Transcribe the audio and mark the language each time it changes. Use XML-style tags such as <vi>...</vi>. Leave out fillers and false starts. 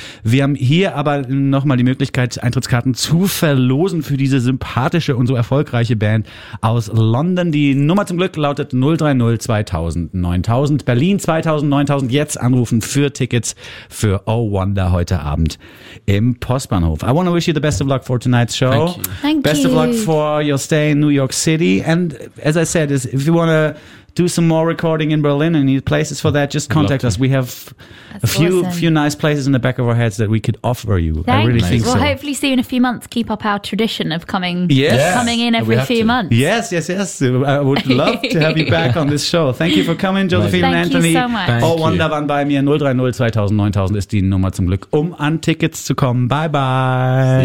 <de>Wir haben hier aber nochmal die Möglichkeit, Eintrittskarten zu verlosen für diese sympathische und so erfolgreiche Band aus London. Die Nummer zum Glück lautet 030 2000 9000. Berlin 2000 9000. Jetzt anrufen für Tickets für Oh, Wanda heute Abend im Postbahnhof.</de> <en>I want to wish you the best of luck for tonight's show. Thank you. Of luck for your stay in New York City. And as I said, if you want to do some more recording in Berlin and need places for that, just contact us. We have a few nice places in the back of our heads that we could offer you. Thank you. We'll hopefully see you in a few months. Keep up our tradition of coming in every few months. Yes. I would love to have you back on this show. Thank you for coming, Josephine and Anthony. Thank you so much.</en> <de>Oh, wunderbar bei mir. 030 2000 9000 ist die Nummer zum Glück, um an Tickets zu kommen. Bye bye.</de>